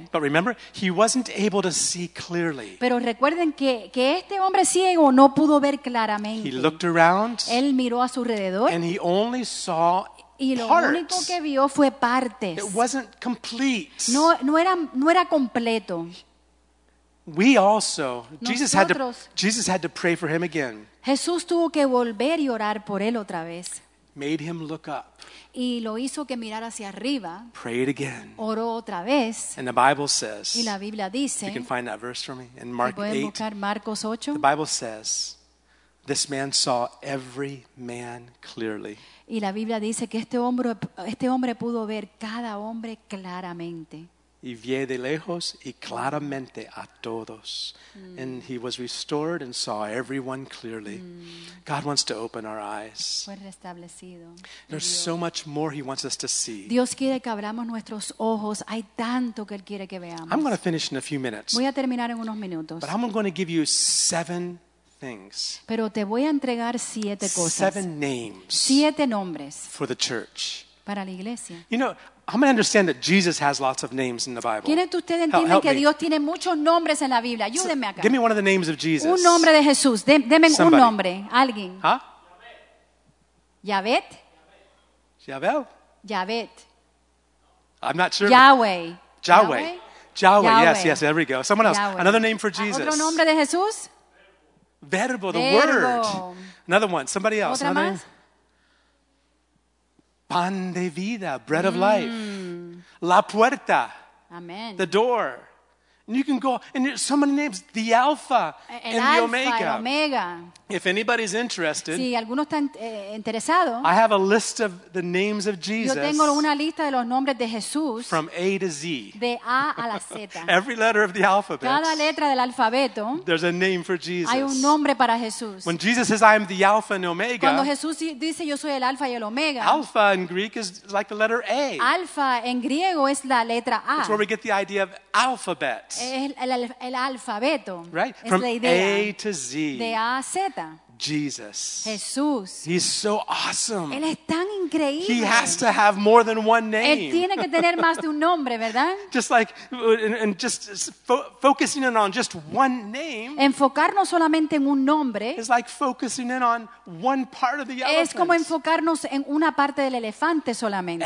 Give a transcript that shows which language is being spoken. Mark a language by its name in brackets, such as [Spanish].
[English] But remember, he wasn't able to see clearly. [Spanish] Pero recuerden que este hombre ciego no pudo ver claramente. [English] He looked around. [Spanish] Él miró a su alrededor. [English] And he only saw. [Spanish] Y lo [English] parts. [Spanish] Único que vio fue partes. [English] It wasn't complete. [Spanish] No era completo. [English] We also, [Spanish] nosotros, [English] Jesus had to pray for him again. [Spanish] Jesús tuvo que volver y orar por él otra vez. [English] Made him look up. [Spanish] Y lo hizo que mirara hacia arriba. [English] Prayed again. [Spanish] Oró otra vez. [English] And the Bible says. [Spanish] Y la Biblia dice. [English] You can find that verse for me in Mark 8. [Spanish] Pueden buscar Marcos 8. [English] The Bible says, this man saw every man clearly. [Spanish] Y la Biblia dice que este hombre pudo ver cada hombre claramente. y vi de lejos y claramente a todos. Mm. [English] And he was restored and saw everyone clearly. Mm. God wants to open our eyes. [Spanish] Fue restablecido. [English] There's so much more he wants us to see. [Spanish] Dios quiere que abramos nuestros ojos. Hay tanto que él quiere que veamos. [English] I'm going to finish in a few minutes. [Spanish] Voy a terminar en unos minutos. [English] But I'm going to give you 7 things. [Spanish] Pero te voy a entregar 7 cosas. [English] 7 names. [Spanish] 7 nombres. [English] For the church. [Spanish] Para la iglesia. [English] You know, I'm going to understand that Jesus has lots of names in the Bible. [Spanish] ¿Quieren que ustedes entiendan que Dios tiene muchos nombres en la Biblia? Ayúdenme acá. [English] Give me one of the names of Jesus. [Spanish] Un nombre de Jesús. Deme un nombre. Alguien. Huh? Yahvé. Yahvé. Yahvé. [English] I'm not sure. Yahweh. Yahweh. Yahweh. Yes, yes. There we go. Someone else. Yahweh. Another name for Jesus. [Spanish] ¿Otro nombre de Jesús? [English] Verbo. The Verbo. Word. Another one. Somebody else. [Spanish] ¿Otra [English] another [Spanish] más? Pan de vida, [English] bread of life. [Spanish] La puerta. [English] Amen. The door. And you can go, and there's so many names. The Alpha and the Omega. Omega. If anybody's interested, [Spanish] si alguno está interesado, [English] I have a list of the names of Jesus. [Spanish] Yo tengo una lista de los nombres de Jesús, [English] from A to Z. [Spanish] De A a la Z. [English] Every letter of the alphabet. [Spanish] Cada letra del alfabeto, [English] there's a name for Jesus. [Spanish] Hay un nombre para Jesús. [English] When Jesus says, I am the Alpha and Omega, [Spanish] cuando Jesús dice, yo soy el Alpha y el Omega, [English] Alpha in Greek is like the letter A. [Spanish] Alpha en griego es la letra A. [English] That's where we get the idea of alphabet. [Spanish] El alfabeto. [English] Right. [Spanish] Es [English] from [Spanish] la idea [English] A to Z. [Spanish] De A a Z. [English] Jesus. [Spanish] Jesús. [English] He's so awesome. [Spanish] Él es tan increíble. [English] He has to have more than one name. [Spanish] Él tiene que tener más de un nombre, ¿verdad? [English] Just like, and just focusing in on just one name. [Spanish] Enfocarnos solamente en un nombre. [English] Is like focusing in on one part of the elephant. [Spanish] Es como enfocarnos en una parte del elefante solamente.